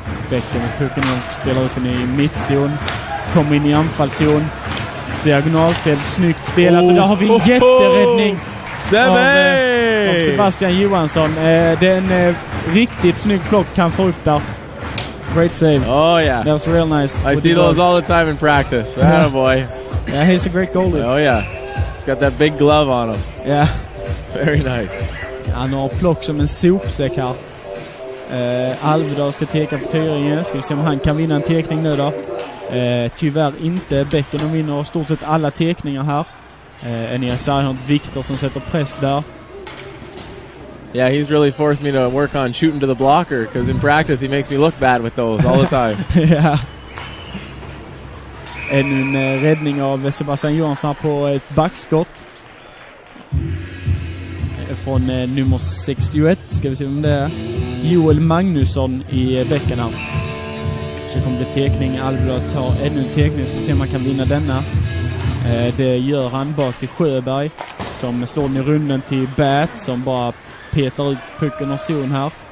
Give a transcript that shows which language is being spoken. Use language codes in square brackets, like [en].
[sv] Bäcken och pucken spelar ut den i mittzon. Kommer in i anfallszon. Diagonalspel, snyggt spelat. Och där har vi en jätteräddning av Sebastian Johansson. Det är en riktigt snygg plock kan få upp där. [en] Great save. Oh yeah. That was real nice. I see those all the time in practice. Attaboy. Yeah, he's a great goalie. Oh yeah. He's got that big glove on him. Yeah. Very nice. [sv] Han har plock som en sopsäck här. Alvedal ska teka på Tyringen. Ska vi se om han kan vinna en tekning nu då. Tyvärr inte. Bäcken vinner stort sett alla tekningar här. Enia Sarhunt, Victor som sätter press där. [en] Yeah, he's really forced me to work on shooting to the blocker, because in practice he makes me look bad with those all the time. Yeah. [sv] Ännu en räddning av Sebastian Johansson på ett backskott från nummer 61. Ska vi se om det är Joel Magnusson i bäcken här. Så kommer det tekning. Alvblad tar ännu en tekning. Ska se om man kan vinna denna. Det gör han bak till Sjöberg som slår den i runden till Bat som bara petar ut pucken och zon här.